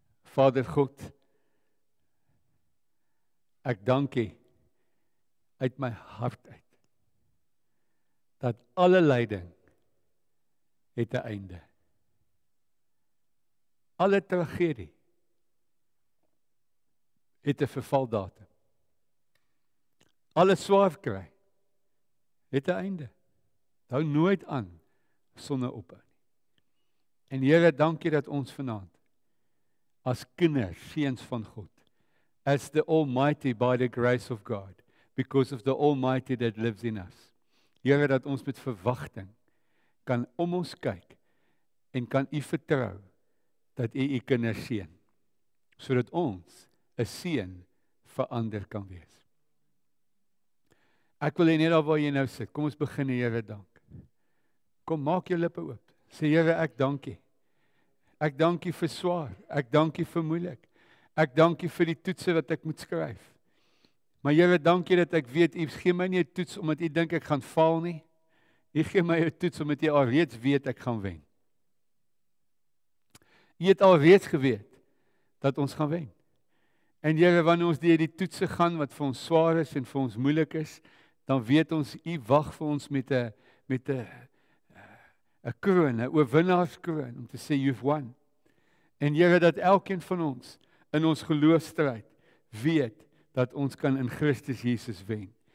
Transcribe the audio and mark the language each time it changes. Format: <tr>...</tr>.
<af>Vader God, ek dank U uit my hart uit, dat alle lyding het 'n einde. Alle tragedie het 'n vervaldatum. Alle swaarkry het 'n einde. Hou nooit aan sonder ophou. En Here, dankie dat ons vanaand as kinders, seuns van God,</af> <en>as the Almighty by the grace of God, because of the Almighty that lives in us.</en> <af>Here, dat ons met verwagting kan om ons kyk en kan U vertrou dat U kinders seën, sodat ons 'n seën vir ander kan wees. Ek wil net daar waar jy nou sit, kom ons begin, Here, dank. Kom, maak jou lippe oop. Sê, Here, ek dank U. Ek dank U vir swaar, ek dank U vir moeilik, ek dank U vir die toetse wat ek moet skryf. Maar Here, dank U dat ek weet, U gee my nie 'n toets omdat U dink ek gaan faal nie. U gee my 'n toets omdat U alreeds weet ek gaan wen. U het alreeds geweet dat ons gaan wen. En Here, wanneer ons deur die toetse gaan wat vir ons swaar is en vir ons moeilik is, dan weet ons U wag vir ons met 'n kroon, 'n oorwinnaarskroon, om te sê,</af> <en>you've won.</en> <af>En Here, dat elkeen van ons in ons geloofstryd weet dat ons kan in Christus Jesus wen.</af>